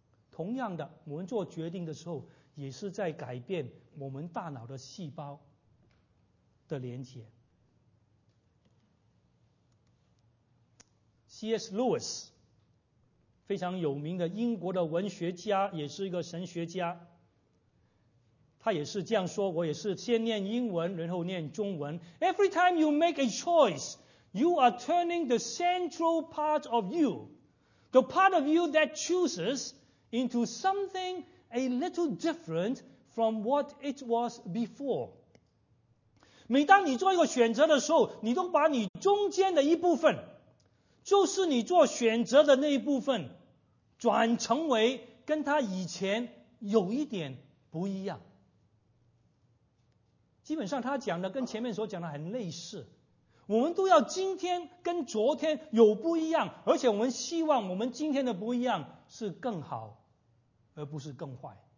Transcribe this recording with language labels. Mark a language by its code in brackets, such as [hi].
[zh] 同样的，我们做决定的时候也是在改变我们大脑的细胞的连接。 [en] C.S. [zh] Lewis 非常有名的英国的文学家，也是一个神学家，他也是这样说，我也是先念英文然后念中文。 [en] Every time you make a choice, you are turning the central part of you, the part of you that chooses, into somethingA little different from what it was before. [zh] 每当你做一个选择的时候，你都把你中间的一部分，就是你做选择的那一部分，转成为跟他以前有一点不一样。基本上他讲的跟前面所讲的很类似，我们都要今天跟昨天有不一样，而且我们希望我们今天的不一样是更好而不是更坏。